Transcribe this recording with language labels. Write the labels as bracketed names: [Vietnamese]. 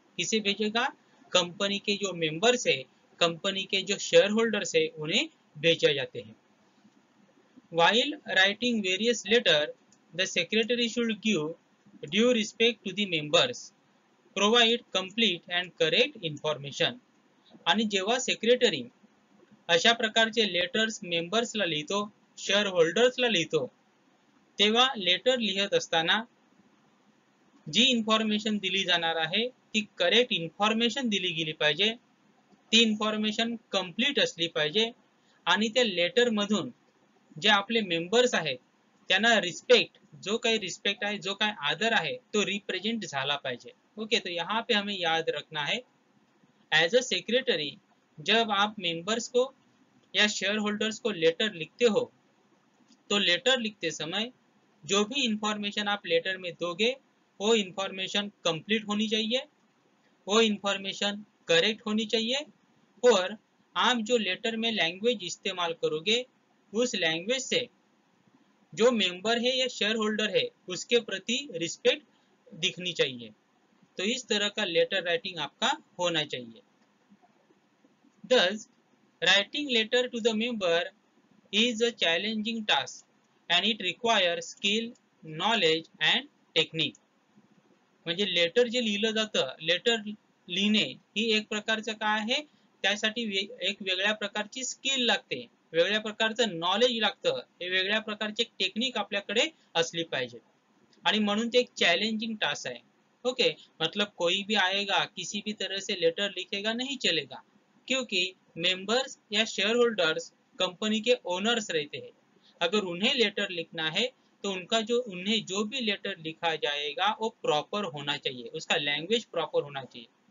[Hindi] किसे भेजेगा, कंपनी के जो मेंबर्स है, कंपनी के जो शेयर होल्डर्स है, उन्हें भेजा जाते हैं. [English] While writing various letter the secretary should give due respect to the members, provide complete and correct information. [Marathi] आणि जेव्हा सेक्रेटरी अशा प्रकारचे लेटर्स मेंबर्सला लिहितो, शेअर होल्डर्सला लिहितो, तेव्हा लेटर लिहत असताना जी इन्फॉर्मेशन दिली जाणार आहे ती करेक्ट इन्फॉर्मेशन दिली गेली पाहिजे, ती इन्फॉर्मेशन कंप्लीट असली पाहिजे, आणि त्या लेटर मधून जे आपले मेंबर्स आहेत त्यांना रिस्पेक्ट, जो काही रिस्पेक्ट आहे, जो काही आदर आहे, तो रिप्रेझेंट झाला पाहिजे. [Hindi] ओके, तो यहां पे हमें याद रखना है, [English] as a secretary [Hindi] जब आप मेंबर्स को या शेयर होल्डर्स को लेटर लिखते हो तो लेटर लिखते समय जो भी इंफॉर्मेशन आप लेटर में दोगे वो इंफॉर्मेशन कंप्लीट होनी चाहिए, वो इंफॉर्मेशन करेक्ट होनी चाहिए, और आप जो लेटर में लैंग्वेज इस्तेमाल करोगे उस लैंग्वेज से जो मेंबर है या शेयर होल्डर है उसके प्रति रिस्पेक्ट दिखनी चाहिए. तो इस तरह का लेटर राइटिंग आपका होना चाहिए. [English] Thus, writing letter to the member is a challenging task and it requires skill, knowledge and technique. [Marathi] म्हणजे लेटर जे लिहिलं जातं, लेटर लिहिणे ही एक प्रकारचं काय आहे, त्यासाठी एक वेगळ्या प्रकारची स्किल लागते, वेगळ्या प्रकारचं नॉलेज लागतं, हे वेगळ्या प्रकारचे टेक्निक आपल्याकडे असली पाहिजे, आणि म्हणून ते एक चॅलेंजिंग टास्क आहे. [Hindi] ओके, मतलब कोई भी आएगा किसी भी तरह से लेटर लिखेगा नहीं चलेगा, क्योंकि मेंबर्स या शेयर होल्डर्स कंपनी के ओनर्स रहते हैं. अगर उन्हें लेटर लिखना है तो उनका जो उन्हें जो भी लेटर लिखा जाएगा वो प्रॉपर होना चाहिए, उसका लैंग्वेज प्रॉपर होना चाहिए.